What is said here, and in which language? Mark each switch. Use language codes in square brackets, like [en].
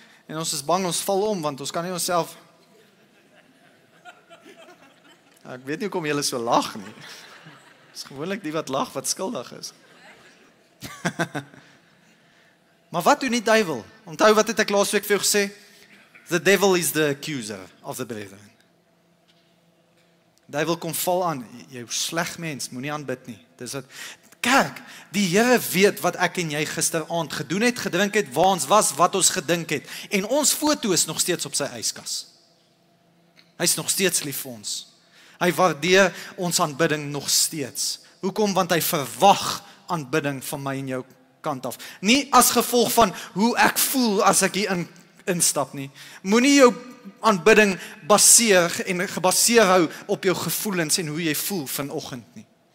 [af] En ons is bang ons val om want ons kan nie onsself Ek weet nie hoekom jy so lag nie. Dis gewoonlik die wat lag wat skuldig is. Maar wat doen die duivel? Onthou wat het ek laasweek vir jou gesê? [en] The devil is the accuser of the brethren. [af] Duivel kom val aan, jy sleg mens, moenie aanbid nie. Dis wat kerk, die Here weet wat ek en jy gisteraand gedoen het, gedrink het, waar ons was, wat ons gedink het en ons foto is nog steeds op sy yskas. Hy is nog steeds lief vir ons. Hy waardeer ons aanbidding nog steeds. Hoekom? Want hy verwag aanbidding van my en jou kant af. Nie as gevolg van hoe ek voel as ek hier instap nie. Moenie jou aanbidding baseer en gebaseer hou op jou gevoelens en hoe jy voel vanoggend nie.